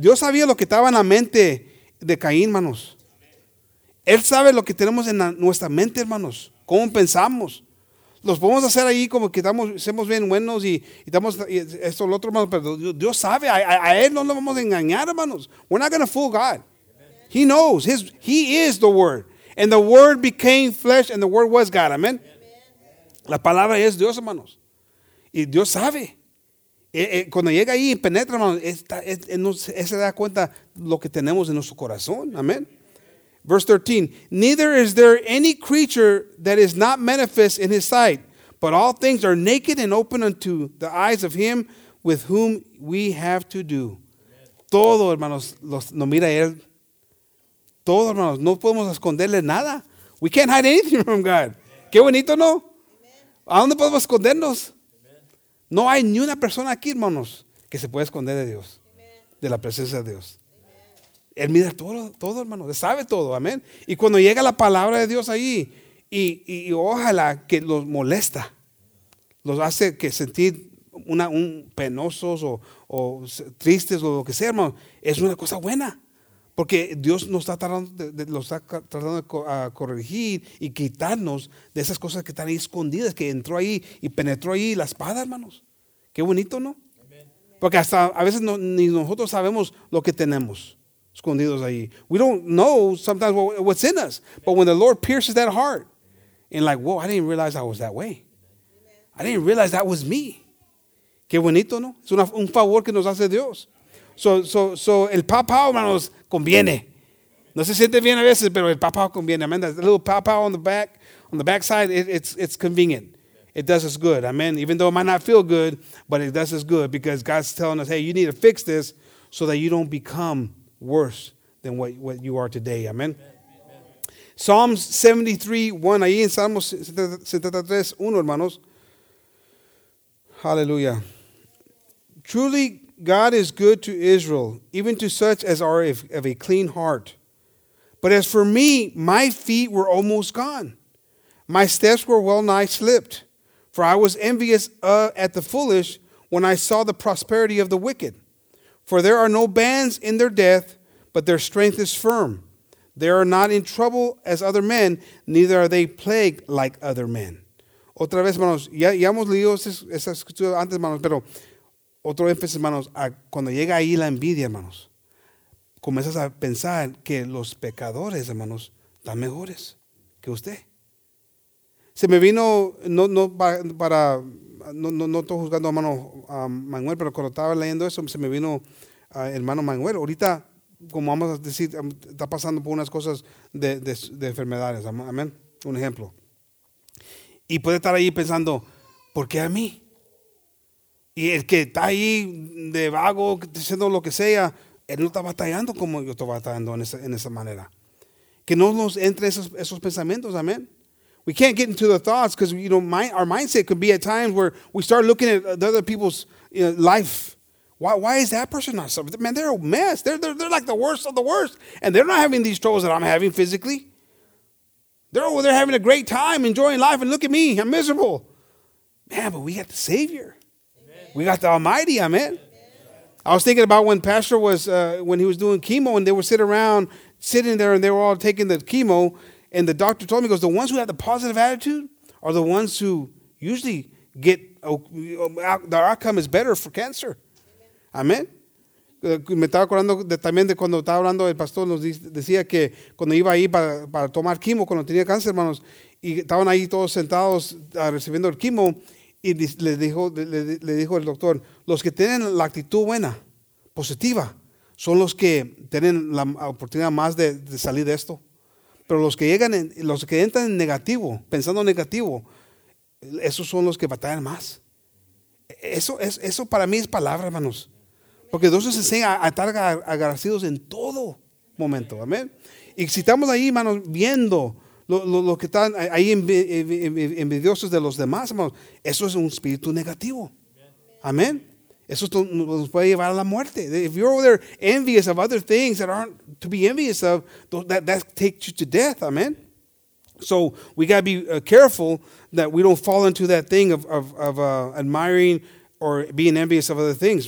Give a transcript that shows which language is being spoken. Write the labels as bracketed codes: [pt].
[es] Dios sabía lo que estaba en la mente de Caín, hermanos. Él sabe lo que tenemos en nuestra mente, hermanos. Cómo pensamos. Los podemos hacer ahí como que somos bien buenos y estamos y esto lo otro, hermanos. Pero Dios sabe. A Él no lo vamos a engañar, hermanos. [en] We're not going to fool God. Amen. He knows. He is the Word. And the Word became flesh and the Word was God. [es] Amen. Amen. La palabra es Dios, hermanos. Y Dios sabe. Cuando llega ahí y penetra, hermanos, se da cuenta lo que tenemos en nuestro corazón. [en] Amén. Verse 13. Neither is there any creature that is not manifest in his sight, but all things are naked and open unto the eyes of him with whom we have to do. [es] Amen. Todo, hermanos, nos mira él. Todo, hermanos, no podemos esconderle nada. [en] We can't hide anything from God. Amen. [es] Qué bonito, ¿no? [en] Amen. [es] ¿A dónde podemos escondernos? No hay ni una persona aquí, hermanos, que se pueda esconder de Dios, amen, de la presencia de Dios. Amen. Él mira todo, hermanos, él sabe todo, amén. Y cuando llega la palabra de Dios ahí, y ojalá que los molesta, los hace que sentir un penosos o tristes o lo que sea, hermanos, es una cosa buena. Porque Dios nos está tratando de corregir y quitarnos de esas cosas que están ahí escondidas, que entró ahí y penetró ahí la espada, hermanos. Qué bonito, ¿no? Amen. Porque hasta a veces no, ni nosotros sabemos lo que tenemos escondidos ahí. [en] We don't know sometimes what's in us. Amen. But when the Lord pierces that heart, and like, whoa, I didn't realize I was that way. Amen. I didn't realize that was me. [es] Qué bonito, ¿no? Es un favor que nos hace Dios. So el pow-pow, hermanos, conviene. No se siente bien a veces, pero el pow-pow conviene. [en] Amen. That little pow-pow on the backside, it's convenient. It does us good. Amen. Even though it might not feel good, but it does us good because God's telling us, hey, you need to fix this so that you don't become worse than what you are today. Amen. Amen. [es] Psalms 73:1. Ahí en Salmos 73:1, hermanos. Hallelujah. [en] Truly, God is good to Israel, even to such as are of a clean heart. But as for me, my feet were almost gone. My steps were well nigh slipped. For I was envious at the foolish when I saw the prosperity of the wicked. For there are no bands in their death, but their strength is firm. They are not in trouble as other men, neither are they plagued like other men. [es] Otra vez, hermanos, ya hemos leído esa escritura antes, hermanos, pero otro énfasis, hermanos, a cuando llega ahí la envidia, hermanos, comienzas a pensar que los pecadores, hermanos, están mejores que usted. Se me vino, no estoy juzgando a hermano Manuel, pero cuando estaba leyendo eso, se me vino a hermano Manuel. Ahorita, como vamos a decir, está pasando por unas cosas de enfermedades. Amén. Un ejemplo. Y puede estar ahí pensando, ¿por qué a mí? Y el que está ahí de vago, diciendo lo que sea, él no está batallando como yo estoy batallando en esa manera. Que no nos entre esos pensamientos. Amén. [en] We can't get into the thoughts because, you know, our mindset could be at times where we start looking at the other people's, you know, life. Why is that person not suffering? Man, they're a mess. They're like the worst of the worst. And they're not having these troubles that I'm having physically. They're over there having a great time, enjoying life. And look at me. I'm miserable. Man, but we got the Savior. Amen. We got the Almighty. Amen. Amen. I was thinking about when Pastor was, when he was doing chemo, and they were sitting there and they were all taking the chemo. And the doctor told me, he goes, the ones who have the positive attitude are the ones who usually get, the outcome is better for cancer. [es] Amén. Me estaba acordando también de cuando estaba hablando el pastor, nos decía que cuando iba ahí para tomar quimo, cuando tenía cáncer, hermanos, y estaban ahí todos sentados recibiendo el quimo, y le dijo el doctor, los que tienen la actitud buena, positiva, son los que tienen la oportunidad más de salir de esto. Pero los que entran en negativo, pensando en negativo, esos son los que batallan más. Eso para mí es palabra, hermanos. Porque Dios nos enseña a estar agradecidos en todo momento. Amén. Y si estamos ahí, hermanos, viendo lo que están ahí envidiosos de los demás, hermanos, eso es un espíritu negativo. Amén. Eso nos puede llevar a la muerte. [en] If you're over there envious of other things that aren't to be envious of, that takes you to death. Amen. So we got to be careful that we don't fall into that thing of admiring or being envious of other things.